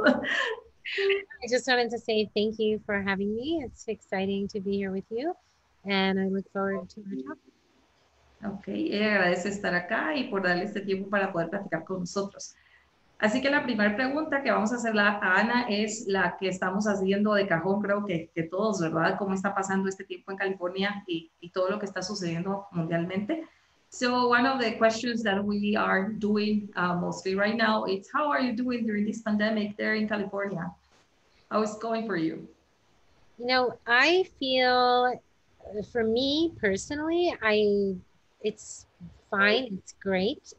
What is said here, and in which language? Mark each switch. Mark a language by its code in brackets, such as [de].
[en] I just wanted to say thank you for having me. It's exciting to be here with you, and I look forward to our talk. [es] Agradece estar acá y por darle este tiempo para poder platicar con nosotros. Así que la primera pregunta que vamos a hacerle a Ana es la que estamos haciendo de cajón, creo que todos, ¿verdad? ¿Cómo está pasando este tiempo en California y todo lo que está sucediendo mundialmente? [en] So, one of the questions that we are doing mostly right now is how are you doing during this pandemic there in California? How is it going for you? You know, I feel for me personally, it's fine, it's great.